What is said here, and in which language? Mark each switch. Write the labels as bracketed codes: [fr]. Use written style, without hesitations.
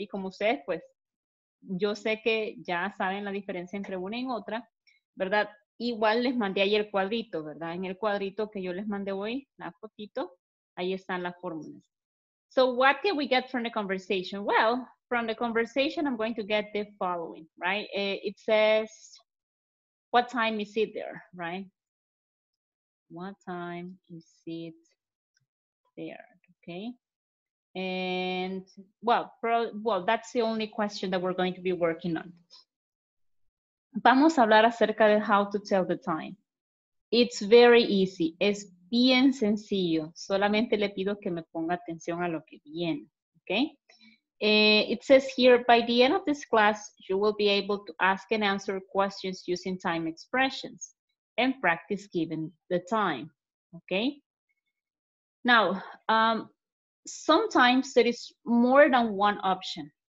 [es] Y como ustedes, pues, yo sé que ya saben la diferencia entre una y otra, ¿verdad? Igual les mandé ahí el cuadrito, ¿verdad? En el cuadrito que yo les mandé hoy, la fotito, ahí están las fórmulas. [en] So what can we get from the conversation? Well, from the conversation, I'm going to get the following, right? It says, what time is it there, right? What time is it there, okay? And well, that's the only question that we're going to be working on. [es] Vamos a hablar acerca de [en] how to tell the time. It's very easy. [es] Es bien sencillo. Solamente le pido que me ponga atención a lo que viene. [en] Okay? It says here, by the end of this class, you will be able to ask and answer questions using time expressions and practice giving the time. Okay? Now, sometimes there is more than one option.